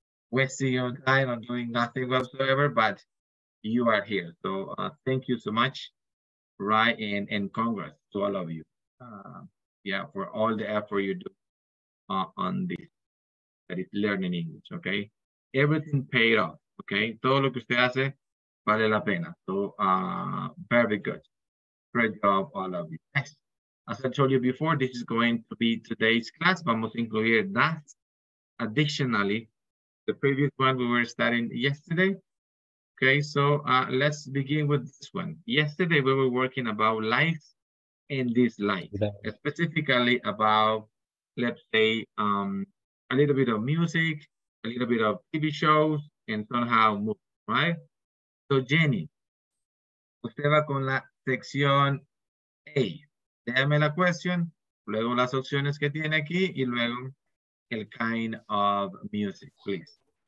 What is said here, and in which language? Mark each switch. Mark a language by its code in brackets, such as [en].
[en] wasting your time and doing nothing whatsoever, but you are here. So thank you so much, right? And congrats to all of you. Yeah, for all the effort you do on this, that is learning English, okay? Everything paid off, okay? [es] Todo lo que usted hace vale la pena. [en] So very good. Great job, all of you. Yes. As I told you before, this is going to be today's class. [es] Vamos a incluir [en] that. Additionally, the previous one we were studying yesterday. Okay, so let's begin with this one. Yesterday, we were working about likes and dislikes, specifically about, let's say, a little bit of music, a little bit of TV shows, and somehow movies, right? [es] So Jenny, usted va con la sección A. Déjame la cuestión, luego las opciones que tiene aquí, y luego el [en] kind of music, please.